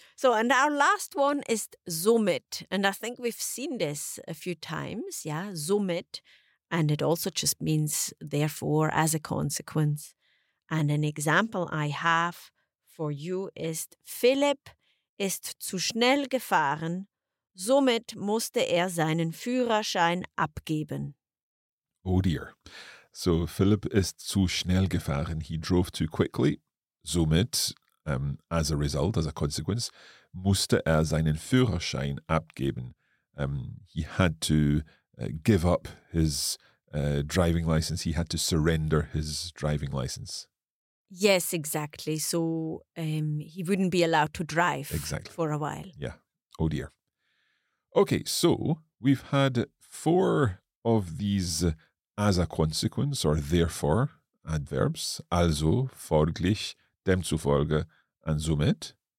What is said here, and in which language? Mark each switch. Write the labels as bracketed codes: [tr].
[en] So, and our last one is somit. And I think we've seen this a few times, yeah, somit. And it also just means therefore, as a consequence. And an example I have for you is [de] Philipp ist zu schnell gefahren, somit musste er seinen Führerschein abgeben. [en] Oh dear. [de] So, Philipp ist zu schnell gefahren. [en] He drove too quickly, somit... as a result, as a consequence, [de] musste er seinen Führerschein abgeben. [en] He had to give up his driving license. He had to surrender his driving license. Yes, exactly. So he wouldn't be allowed to drive for a while. Yeah. Oh, dear. Okay, so we've had four of these as a consequence or therefore adverbs, also, folglich, demzufolge, and somit.